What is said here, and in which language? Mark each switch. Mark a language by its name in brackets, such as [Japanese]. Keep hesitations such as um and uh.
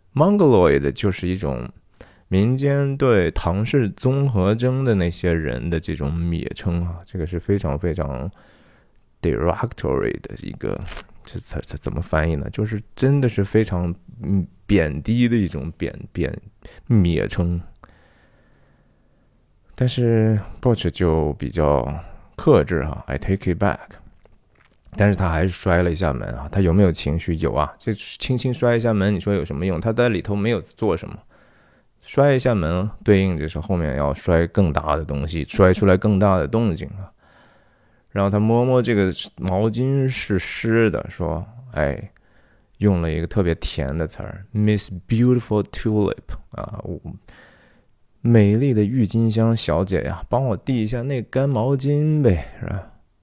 [Chinese] Mongoloid 就是一种民间对唐氏综合征的那些人的这种蔑称啊，这个是非常非常 derogatory 的一个，这这这怎么翻译呢？就是真的是非常嗯贬低的一种贬贬蔑称。但是 b o c h 就比较克制啊， [English] I take it back。 [Chinese] 但是他还是摔了一下门啊！他有没有情绪？有啊！这轻轻摔一下门，你说有什么用？他在里头没有做什么，摔一下门，对应着是后面要摔更大的东西，摔出来更大的动静啊！然后他摸摸这个毛巾是湿的，说：“哎，用了一个特别甜的词儿，Miss Beautiful Tulip 啊，美丽的郁金香小姐呀、啊，帮我递一下那干毛巾呗，是吧？”